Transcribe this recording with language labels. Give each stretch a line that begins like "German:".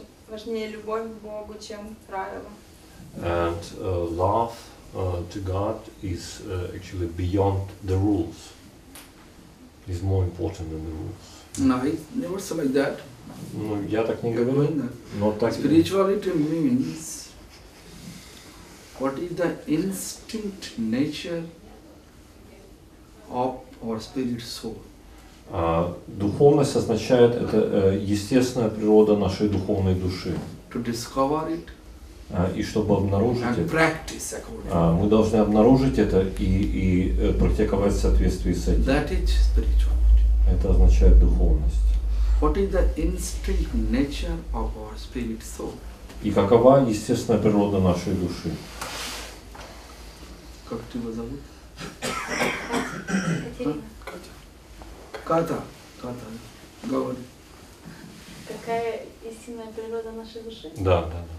Russian: Важнее любовь к Богу, чем правила.
English: And love to God is actually beyond the rules. Is more important than the rules. No, I never said like that.
Russian: Ну, я так не говорю. Но так.
English: Spirituality means. What is the instinct nature of our spirit soul?
Russian: Духовность означает это естественная природа нашей духовной души.
English: To discover it.
Russian: И чтобы обнаружить
English: and
Russian: это.
English: And practice accordingly.
Russian: Мы должны обнаружить это и практиковать в соответствии с этим.
English: That is spirituality.
Russian: Это означает духовность.
English: What is the instinct nature of our spirit soul?
Russian: И какова естественная природа нашей души? Как тебя зовут? Катя. Катя, говори. Какая истинная природа нашей души? Да.